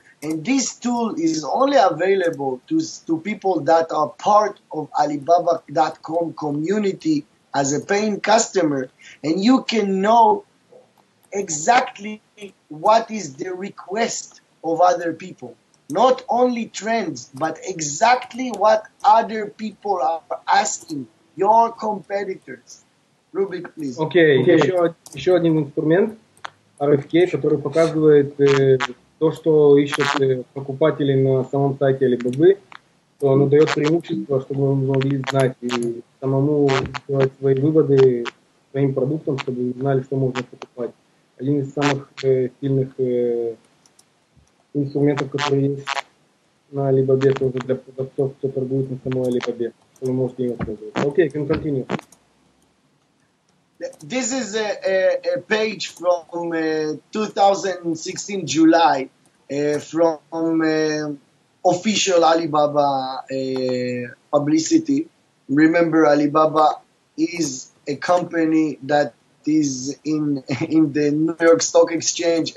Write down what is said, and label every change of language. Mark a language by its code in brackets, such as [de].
[en] And this tool is only available to people that are part of Alibaba.com community as a paying customer, and you can know exactly what is the request of other people. Not only trends, but exactly what other people are asking, your competitors. Rubik, please. Okay, okay. [ru] Еще один инструмент, RFK, который показывает то, что ищут покупатели на самом сайте Alibaba, то оно дает преимущество, чтобы вы могли знать и самому делать свои выводы своим продуктом, чтобы вы знали, что можно покупать. Один из самых сильных инструментов, которые есть на Alibaba, тоже для продавцов, кто торгует на самой Alibaba, что вы можете им использовать. [en] Окей, can continue. This is a page from 2016 July from official Alibaba publicity. Remember, Alibaba is a company that is in the New York Stock Exchange.